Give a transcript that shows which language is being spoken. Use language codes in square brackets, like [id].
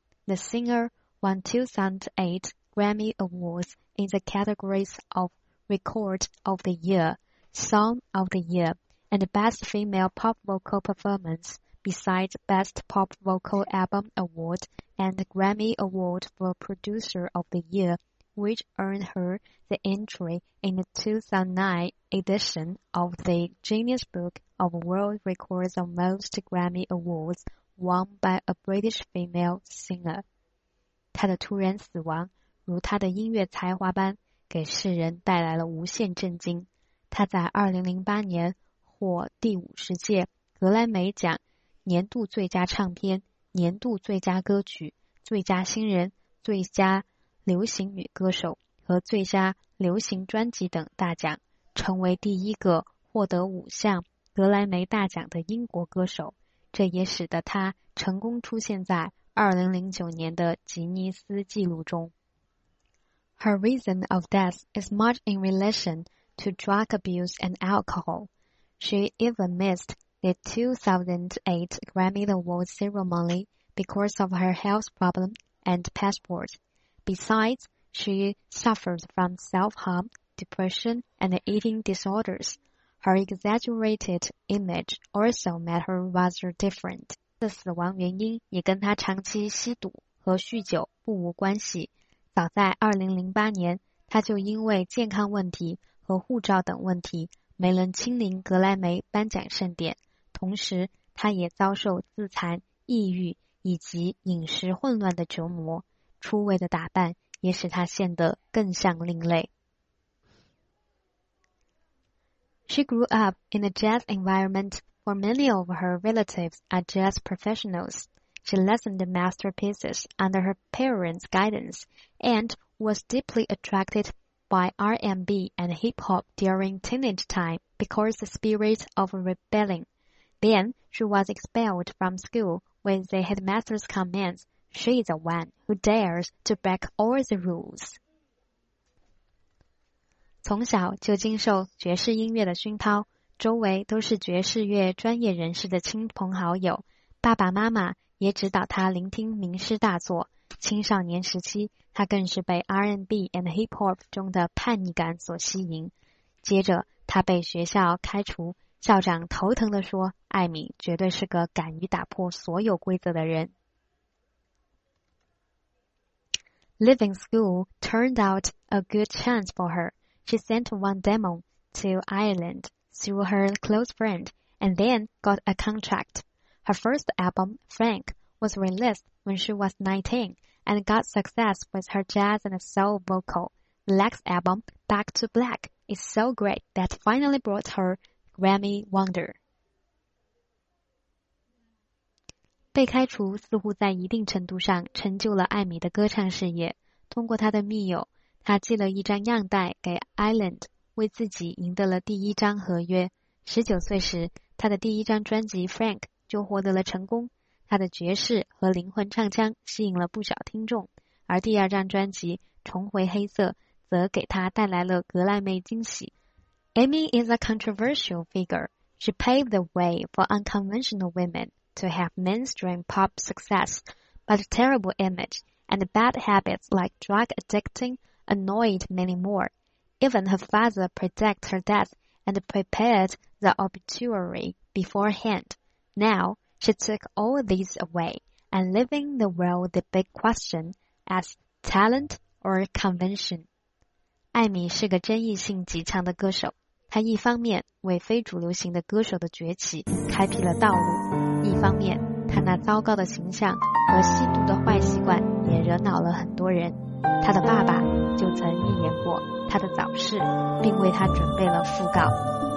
[en] The singer won 2008 Grammy Awards in the categories of Record of the Year, Song of the Year, and Best Female Pop Vocal Performance, besides Best Pop Vocal Album Award and Grammy Award for Producer of the Year, which earned her the entry in the 2009 edition of the Guinness Book of World Records of Most Grammy Awards won by a British female singer. [zh] 她的突然死亡如她的音乐才华般给世人带来了无限震惊。她在2008年获第50届格莱美奖年度最佳唱片、年度最佳歌曲、最佳新人、最佳流行女歌手和最佳流行专辑等大奖，成为第一个获得五项格莱美大奖的英国歌手，这也使得她成功出现在2009年的吉尼斯纪录中。 [en] Her reason of death is much in relation to drug abuse and alcohol. She even missed the 2008 Grammy Awards ceremony because of her health problem and passport. Besides, she suffered from self-harm, depression, and eating disorders. Her exaggerated image also made her rather different. [zh] 的死亡原因也跟她长期吸毒和酗酒不无关系。早在2008年，她就因为健康问题和护照等问题没能亲临格莱美颁奖盛典，同时她也遭受自残、抑郁以及饮食混乱的折磨。出位的打扮也使她显得更像另类。 [en] She grew up in a jazz environment, for many of her relatives are jazz professionals. She listened to masterpieces under her parents' guidance and was deeply attracted by R&B and hip-hop during teenage time because the spirit of rebelling. Then she was expelled from school when the headmaster's commands, "She is the one who dares to break all the rules." [zh] 从小就经受爵士音乐的熏陶，周围都是爵士乐专业人士的亲朋好友，爸爸妈妈也指导他聆听名师大作。青少年时期，他更是被 [en] R&B and hip-hop [zh] 中的叛逆感所吸引。接着，他被学校开除，校长头疼地说，艾米绝对是个敢于打破所有规则的人。 [en] Leaving school turned out a good chance for her. She sent one demo to Ireland through her close friend and then got a contract. Her first album, Frank, was released when she was 19 and got success with her jazz and soul vocal. The next album, Back to Black, is so great that finally brought her Grammy Wonder. [zh] 被开除似乎在一定程度上成就了艾米的歌唱事业。通过他的密友，他寄了一张样带给 Island， 为自己赢得了第一张合约。 19岁时，他的第一张专辑 Frank 就获得了成功。他的爵士和灵魂唱腔吸引了不少听众，而第二张专辑重回黑色则给他带来了格莱美惊喜。 [en] Amy is a controversial figure. She paved the way for unconventional women to have mainstream pop success, but a terrible image and bad habits like drug addicting annoyed many more. Even her father predicted her death and prepared the obituary beforehand. Now, she took all these away, and leaving the world the big question as talent or convention. [zh] 艾米是个争议性极强的歌手，她一方面为非主流型的歌手的崛起开辟了道路，一方面她那糟糕的形象和吸毒的坏习惯也惹恼了很多人。她的爸爸就曾预言过她的早逝，并为她准备了讣告。